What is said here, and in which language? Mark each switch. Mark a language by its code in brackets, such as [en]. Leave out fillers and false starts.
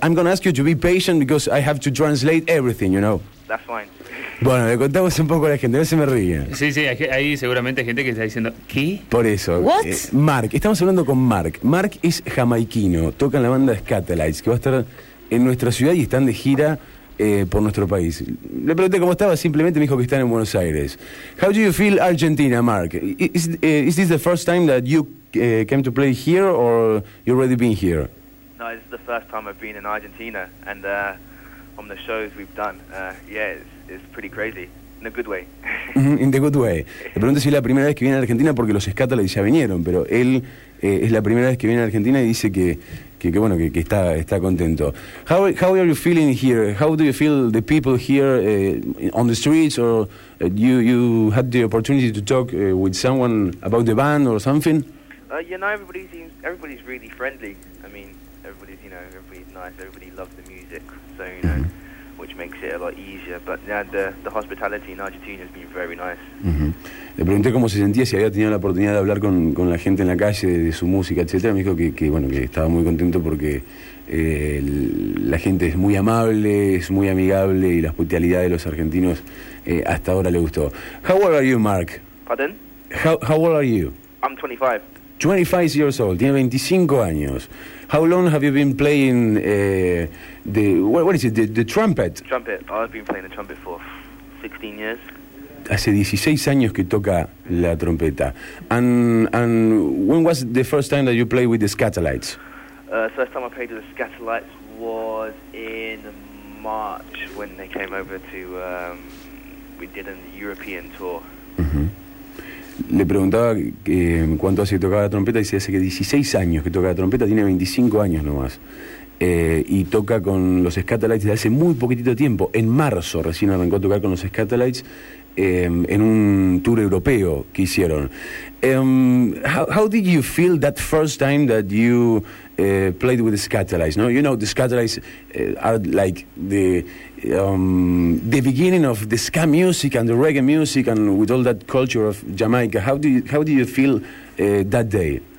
[en] I'm going to ask you to be patient because I have to translate everything, you know? That's fine. [es] Bueno, le contamos un poco a la gente, a ver si me ríen. Sí, sí, hay seguramente gente que está diciendo, ¿qué? Por eso. [en] ¿What? [es] Mark, estamos hablando con Mark. Mark es jamaiquino, toca en la banda Scatolites, que va a estar en nuestra ciudad y están de gira por nuestro país. Le pregunté cómo estaba, simplemente me dijo que están en Buenos Aires. [en] How do you feel Argentina, Mark? Is this the first time that you came to play here, or you already been here? No, this is the first time I've been in Argentina, and on the shows we've done, it's pretty crazy, in a good way. In the good way. [es] Le pregunto si es la primera vez que viene a Argentina, porque los Scatolites ya vinieron, pero él es la primera vez que viene a Argentina y dice que bueno, que está contento. [en] How are you feeling here? How do you feel the people here on the streets, or you had the opportunity to talk with someone about the band or something? Everybody's really friendly. I mean, everybody's, you know, everybody's nice, everybody loves the music, so, you know, mm-hmm. Which makes it a lot easier, but yeah, the hospitality in Argentina has been very nice. Mm-hmm. [es] Le pregunté cómo se sentía, si había tenido la oportunidad de hablar con la gente en la calle de su música, etcétera. Me dijo que estaba muy contento porque la gente es muy amable, es muy amigable, y la hospitalidad de los argentinos hasta ahora le gustó. [en] How old are you, Mark? Pardon? How old are you? I'm 25. 25 years old. [es] Tiene 25 años. [en] How long have you been playing the trumpet? Trumpet. Oh, I've been playing the trumpet for 16 years. [es] Hace 16 años que toca la trompeta. [en] And when was the first time that you played with the Scatolites? First time I played with the Scatolites was in March when they came over to we did a European tour. [es] Le preguntaba cuánto hace que tocaba la trompeta, y dice hace que 16 años que toca la trompeta, tiene 25 años nomás. Y toca con los Scatolites desde hace muy poquitito tiempo. En marzo recién arrancó a tocar con los Scatolites en un tour europeo que hicieron. [en] How did you feel that first time that you played with the Scatolites? No, you know, the Scatolites are like the beginning of the ska music and the reggae music, and with all that culture of Jamaica. How do you feel that day?